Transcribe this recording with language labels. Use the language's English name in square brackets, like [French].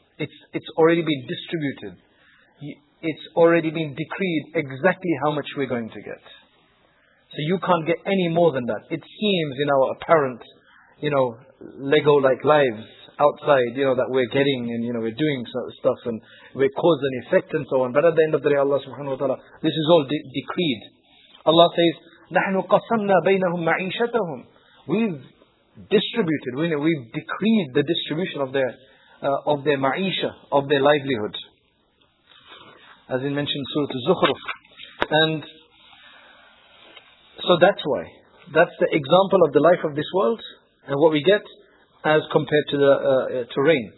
[English] It's already been distributed. It's already been decreed exactly how much we're going to get. So you can't get any more than that. It seems in our apparent, you know, Lego-like lives outside, you know, that we're getting and, you know, we're doing stuff and we're cause and effect and so on. But at the end of the day, Allah subhanahu wa ta'ala, this is all decreed. Allah says, [Arabic] نَحْنُ قَسَمْنَا بَيْنَهُمْ مَعِيشَتَهُمْ. [English] We've distributed, we've decreed the distribution of their ma'isha, of their livelihood. As in mentioned Surah Az-Zukhruf. And so that's why. That's the example of the life of this world and what we get as compared to the rain.